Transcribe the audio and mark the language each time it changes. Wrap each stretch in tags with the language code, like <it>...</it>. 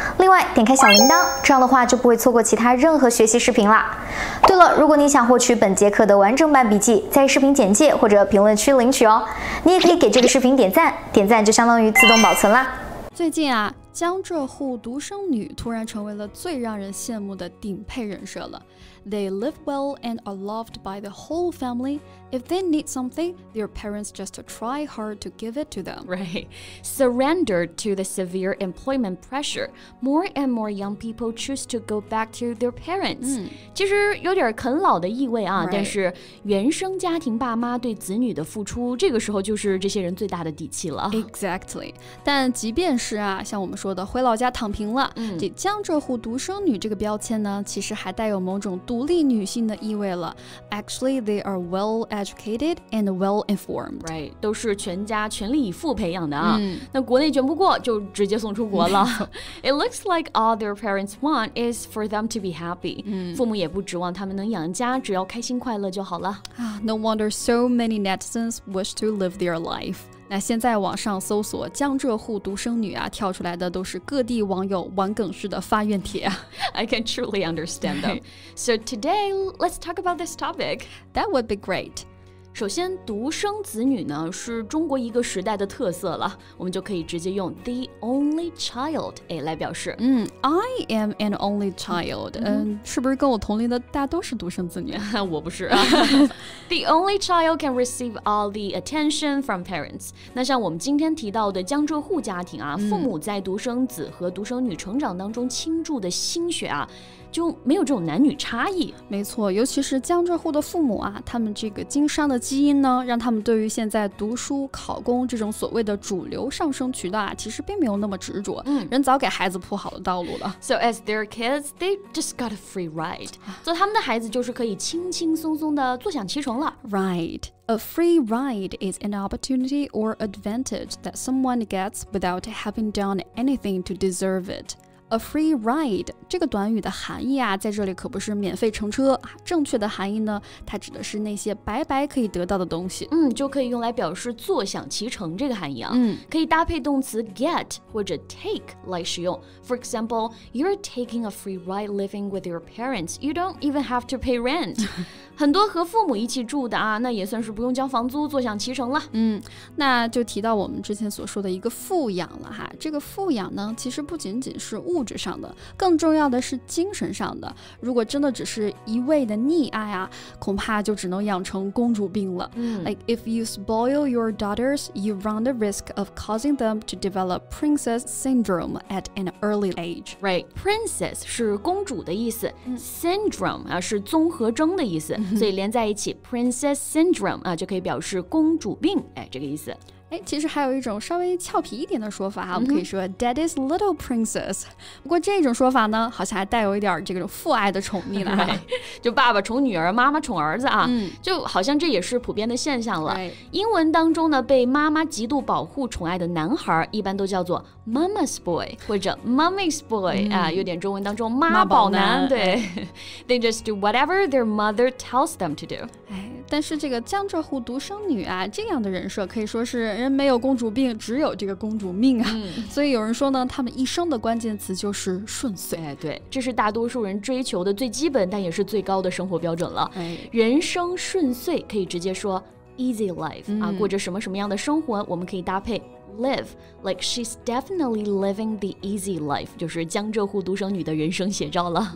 <zh>另外，点开小铃铛，这样的话就不会错过其他任何学习视频啦。对了，如果你想获取本节课的完整版笔记，在视频简介或者评论区领取哦。你也可以给这个视频点赞，点赞就相当于自动保存啦。最近啊，江浙沪独生女突然成为了最让人羡慕的顶配人设了。</zh> <en>They live well and are loved by the whole family. If they need something, their parents just try hard to give it to them. Right. Surrendered to the severe employment pressure, more and more young people choose to go back to their parents.</en> <zh>其实有点啃老的意味啊、</zh> <en>right.</en> <zh>但是原生家庭爸妈对子女的付出，这个时候就是这些人最大的底气了。</zh> <en>Exactly.</en> <zh>但即便是啊，像我们说的回老家躺平了、这江浙沪独生女这个标签呢，其实还带有某种独立女性的意味了。</zh> <en>Actually, they are well educated and well informed.</en> <zh>Right, 都是全家全力以赴培养的啊。那国内卷不过就直接送出国了。</zh> <en>It looks like all their parents want is for them to be happy.</en> <zh>父母也不指望他们能养家，只要开心快乐就好了。</zh> <en>No wonder so many netizens wish to live their life.</en> <zh>那现在网上搜索江浙沪独生女啊，跳出来的都是各地网友玩梗式的发愿帖。</zh> <en>I can truly understand them. So today, let's talk about this topic. That would be great.</en> <zh>首先，独生子女呢，是中国一个时代的特色了。我们就可以直接用 the only child 来表示。</zh> <en>I am an only child.</en> <zh>是不是跟我同龄的大都是独生子女？我不是、啊。</zh> <en>The only child can receive all the attention from parents.</en> <zh>那像我们今天提到的江浙沪家庭啊、父母在独生子和独生女成长当中倾注的心血啊，就没有这种男女差异。没错，尤其是江浙沪的父母啊，他们这个经商的基因呢，让他们对于现在读书考公这种所谓的主流上升渠道啊，其实并没有那么执着。人早给孩子铺好了道路了。</zh> <en>So as their kids, they just got a free ride.</en> <zh>做他们的孩子就是可以轻�ing松松的坐享其成。</zh> <en>Right. A free ride is an opportunity or advantage that someone gets without having done anything to deserve it.</en> <zh>A free ride, 这个短语的含义啊，在这里可不是免费乘车。正确的含义呢，它指的是那些白白可以得到的东西。就可以用来表示坐享其成这个含义啊。可以搭配动词 get 或者 take 来使用。</zh> <en>For example, you're taking a free ride living with your parents. You don't even have to pay rent.</en> <zh>很多和父母一起住的啊，那也算是不用交房租，坐享其成了。那就提到我们之前所说的一个富养了哈。这个富养呢，其实不仅仅是物质上的，更重要的是精神上的。如果真的只是一味的溺爱啊，恐怕就只能养成公主病了。</zh> <en>Like if you spoil your daughters, you run the risk of causing them to develop princess syndrome at an early age.</en> <zh>Right, princess 是公主的意思、syndrome 啊是综合征的意思。所以连在一起 Princess Syndrome、就可以表示公主病、这个意思。其实还有一种稍微俏皮一点的说法、我们可以说 Daddy's little princess。不过这种说法呢，好像还带有一点这个父爱的宠溺了、就爸爸宠女儿，妈妈宠儿子啊、就好像这也是普遍的现象了、英文当中呢，被妈妈极度保护宠爱的男孩一般都叫做 Mama's boy 或者 Mommy's boy、有点中文当中妈宝男</zh> <en>对、 They just do whatever their mother tells them to do。</en> <zh>但是这个江浙沪独生女啊，这样的人设可以说是人没有公主病，只有这个公主命啊。所以有人说呢，他们一生的关键词就是顺遂。对，这是大多数人追求的最基本但也是最高的生活标准了。人生顺遂可以直接说 easy life、过着什么什么样的生活，我们可以搭配live, like she's definitely living the easy life, 就是江浙沪独生女的人生写照了。</zh>